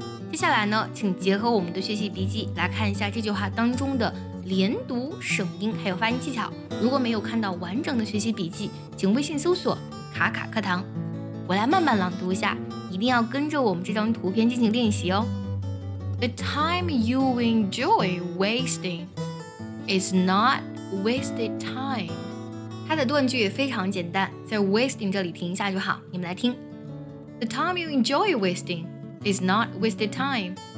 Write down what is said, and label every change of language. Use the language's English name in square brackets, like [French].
[Chinese] 接下来呢，请结合我们的学习笔记来看一下这句话当中的连读省音还有发音技巧。如果没有看到完整的学习笔记，请微信搜索卡卡课堂，我来慢慢朗读一下，一定要跟着我们这张图片进行练习哦。 [English] The time you enjoy wasting is not wasted time. [Chinese] 它的断句也非常简单，在 wasting 这里停一下就好，你们来听。 [English] The time you enjoy wasting is not wasted time.